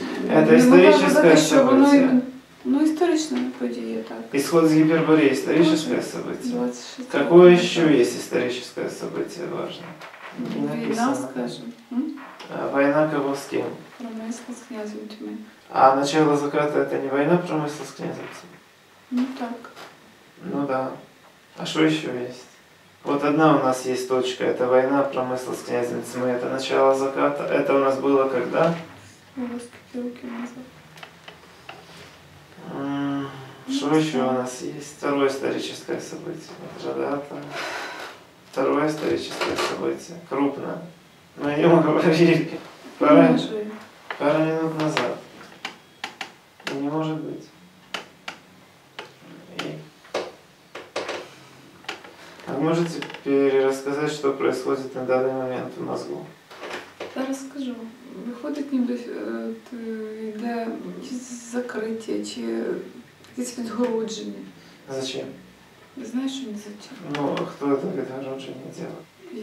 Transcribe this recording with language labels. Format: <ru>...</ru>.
<ru>Это историческое событие.</ru> <uk>Ну, історичне подія, так. Ісход з Гіперборії – історичне событие. 26. Какое ще є історичне событие важне? Війна, скажімо. Війна кого з ким? Промисло з князем Тьми. А начало заката – це не війна, а промисло з князем Тьми? Ну, так. Ну, так. Да. А що ще є? От одна у нас є точка – це війна, промисло з князем Тьми. Це начало заката. Це у нас було коли? У вас кілька років назад.</uk> <ru>Что еще у нас есть? Второе историческое событие. Это же дата. Второе историческое событие. Крупное. Мы о нем говорили. Пару минут назад. Не может быть. А можете перерассказать, что происходит на данный момент в мозгу? Я расскажу.</ru> <uk>Виходить ніби йде закриття чи якесь відгородження.</uk> <ru>Зачем?</ru> <uk>Знаєш, що не зачем? Ну, а хто це відгородження зробив?</uk>